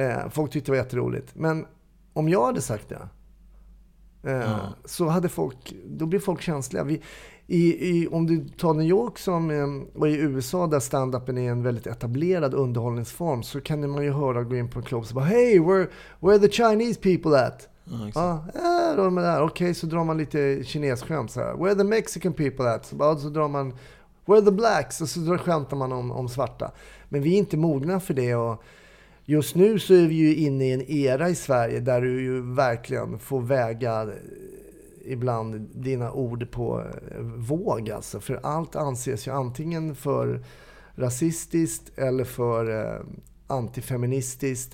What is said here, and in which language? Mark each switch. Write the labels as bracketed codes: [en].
[sv] Folk tyckte det var jätteroligt. Men om jag hade sagt det så hade folk, då blir folk känsliga. Om du tar New York som och i USA där stand-upen är en väldigt etablerad underhållningsform, så kan man ju höra gå in på en klubb och bara, [en] "Hey, where are the Chinese people at?" [sv] Ja, då är man där. Okej, så drar man lite kinesskämt så här. [en] "Where are the Mexican people at?" [sv] Så drar man, [en] "Where are the blacks?" [sv] Och så skämtar man om svarta. Men vi är inte mogna för det, och just nu så är vi ju inne i en era i Sverige där du ju verkligen får väga ibland dina ord på våg alltså. För allt anses ju antingen för rasistiskt eller för antifeministiskt.